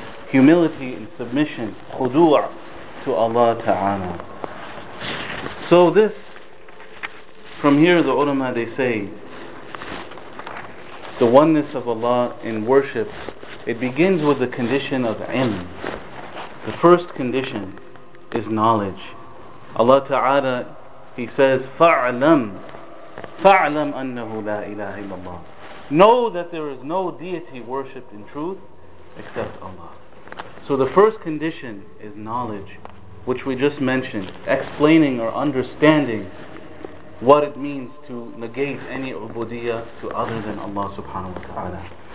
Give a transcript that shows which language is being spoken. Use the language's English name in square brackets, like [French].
[English] Humility and submission, khudu' to Allah Ta'ala. So this, from here the ulama, they say, the oneness of Allah in worship, it begins with the condition of ilm. The first condition is knowledge. Allah Ta'ala, He says, [Arabic] فَعْلَمْ فَعْلَمْ أَنَّهُ لَا إِلَهِ اللَّهِ. [English] Know that there is no deity worshipped in truth except Allah. So the first condition is knowledge, which we just mentioned, explaining or understanding what it means to negate any ubudiyyah to other than Allah subhanahu wa ta'ala.